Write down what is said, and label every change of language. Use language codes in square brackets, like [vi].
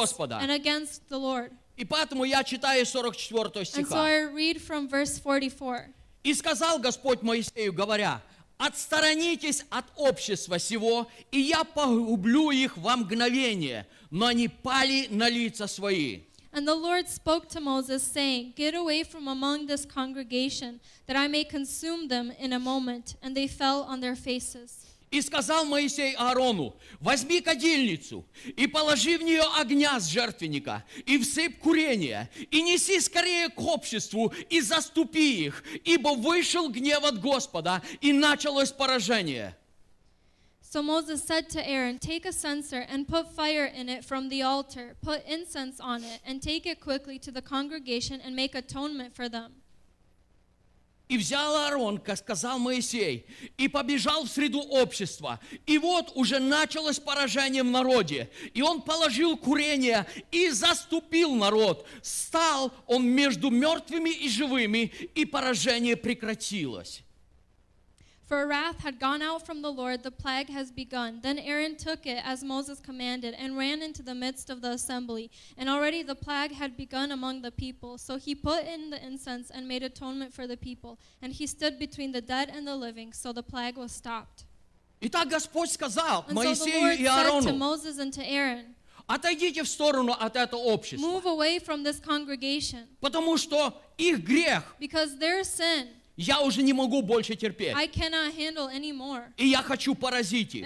[ru] Господа. И поэтому я читаю 44 стиха. [en] So 44. [ru] «И сказал Господь Моисею, говоря, отсторонитесь от общества сего, и я погублю их во мгновение, но они пали на лица свои». [en] And the Lord spoke to Moses, saying, get away from among this congregation, that I may consume them in a moment. And they fell on their faces. [ru] И сказал Моисей Аарону, возьми кадильницу, и положи в нее огня с жертвенника, и всыпь курение, и неси скорее к обществу, и заступи их, ибо вышел гнев от Господа, и началось поражение. [en] So Moses said to Aaron, take a censer and put fire in it from the altar. Put incense on it and take it quickly to the congregation and make atonement for them. [ru] И взял Аарон, как сказал Моисей, и побежал в среду общества. И вот уже началось поражение в народе. И он положил курение и заступил народ. Стал он между мертвыми и живыми, и поражение прекратилось. [en] For wrath had gone out from the Lord, the plague has begun. Then Aaron took it, as Moses commanded, and ran into the midst of the assembly. And already the plague had begun among the people. So he put in the incense and made atonement for the people. And he stood between the dead and the living, so the plague was stopped. [ru] Итак, Господь сказал Моисею и Аарону, [en] to Moses and to Aaron, [ru] отойдите в сторону от этого общества. [en] Move away from this congregation. [ru] Потому что их грех. [en] Because their sin. [ru] Я уже не могу больше терпеть. [en] I cannot handle anymore. [ru] И я хочу поразить их.